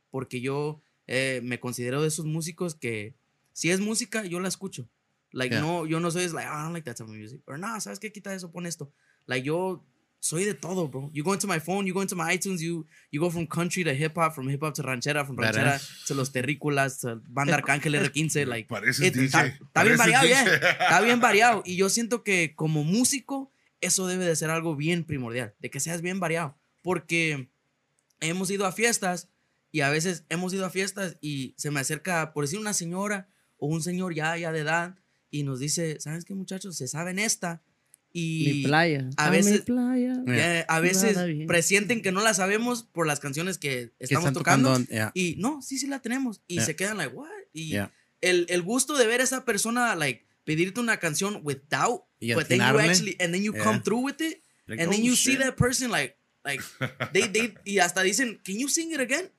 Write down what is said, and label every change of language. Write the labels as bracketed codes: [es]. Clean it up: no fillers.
[es] Porque yo me considero de esos músicos que si es música, yo la escucho. Like, no, yo no soy, es like, [en] oh, I don't like that type of music. [es] Or, no, ¿sabes qué? Quita eso, pon esto. Like, yo soy de todo, bro. [en] You go into my phone, you go into my iTunes, you go from country to hip-hop, from hip-hop to ranchera, from ranchera to Los Terrícolas, to Banda Arcángel R15, like. [es] Parece DJ. Está bien variado, yeah. Está bien variado. Y yo siento que como músico, eso debe de ser algo bien primordial, de que seas bien variado. Porque hemos ido a fiestas, y a veces hemos ido a fiestas, y se me acerca, por decir, una señora o un señor ya de edad, y nos dice, ¿sabes qué, muchachos? Se saben esta. Y mi playa. A veces, mi playa. A veces presienten que no la sabemos por las canciones que estamos que tocando. Y no, sí la tenemos. Y se quedan like, what? Y el gusto de ver a esa persona, like, pedirte una canción without. Y [en] but then you actually, and then you come through with it. Like, and then you see that person, like they [es] y hasta dicen, [en] can you sing it again?